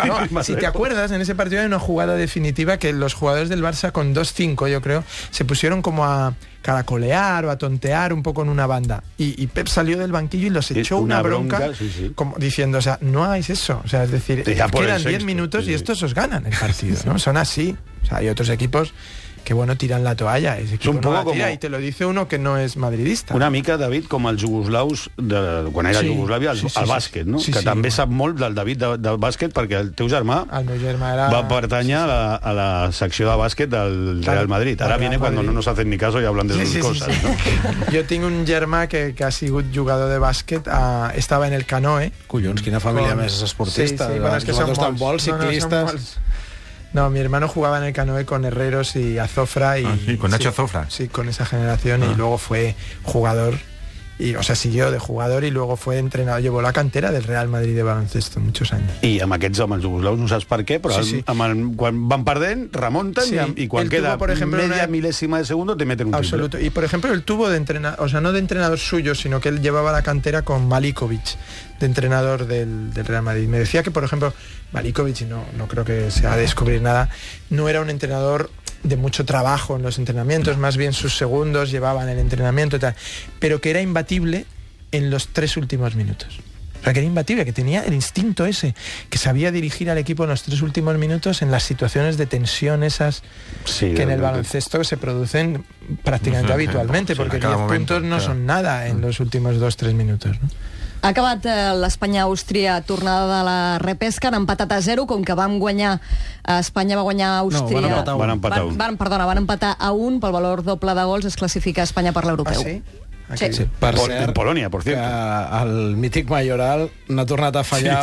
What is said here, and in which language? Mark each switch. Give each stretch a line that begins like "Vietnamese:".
Spanish: No, si te acuerdas, en ese partido hay una jugada definitiva que los jugadores del Barça con 2-5, yo creo, se pusieron como a caracolear o a tontear un poco en una banda. Y Pep salió del banquillo y los echó una bronca, sí, sí. Como diciendo, o sea, no hagáis eso. O sea, es decir, quedan 10 minutos, sí, sí, y estos os ganan el partido, ¿no? Son así. O sea, hay otros equipos que, bueno, tiran la toalla. Ese equipo un poco no la tira, como... y te lo dice uno que no es madridista.
Catalan: Una mica, David, com els jugoslaus, quan era, sí, Jugoslàvia, al bàsquet, no? Sí, que sí, també sap molt del David del bàsquet, perquè el teu germà, el meu germà era... va pertanyar, sí, sí, a la secció de bàsquet del Real Madrid. Ara
Spanish: viene
Catalan: quan
Spanish: no nos hacen ni caso y hablan de sus, sí, sí, cosas. Sí, sí. No?
Catalan: Jo tinc un germà que ha sigut jugador de bàsquet, estava en el Canoe. Collons, quina família més esportista. Sí, sí, bueno, és que són tan bons ciclistes...
Spanish: No, mi hermano jugaba en el Canoe con Herreros y Azofra. Y, ah, sí, con Nacho, sí, Azofra. Sí, con esa generación, ah. Y luego fue jugador, y, o sea, siguió de jugador y luego fue entrenador. Llevó la cantera del Real Madrid de baloncesto muchos años.
Catalan: Y amb aquests homes jugoslaus, no saps per què, però quan van perdent, remonten, sí, i quan queda
Spanish: tubo, por ejemplo, media milésima de segundo, te meten un tiro. Absoluto. Y, por ejemplo, el tubo de entrenador, o sea, no de entrenador suyo, sino que él llevaba la cantera con Maliković, de entrenador del Real Madrid. Me decía que, por ejemplo, Maliković, no creo que sea a descubrir nada, no era un entrenador de mucho trabajo en los entrenamientos, más bien sus segundos llevaban el entrenamiento y tal, pero que era imbatible en los tres últimos minutos. O sea, que era imbatible, que tenía el instinto ese, que sabía dirigir al equipo en los tres últimos minutos en las situaciones de tensión esas, sí, que en el baloncesto se producen prácticamente, no sé, habitualmente, sí, porque 10 momento, puntos no, claro, son nada en los últimos 2-3 minutos, ¿no?
Catalan: Ha acabat l'Espanya-Àustria, tornada de la repesca, han empatat a 0, com que vam guanyar, Espanya va guanyar a Àustria. No, van empatar a 1. Van empatar a 1 pel valor doble de gols, es classifica Espanya per l'europeu. Ah, sí? Sí. Sí. Per cert, Polònia, per cert. El mític Mayoral n'ha tornat a fallar,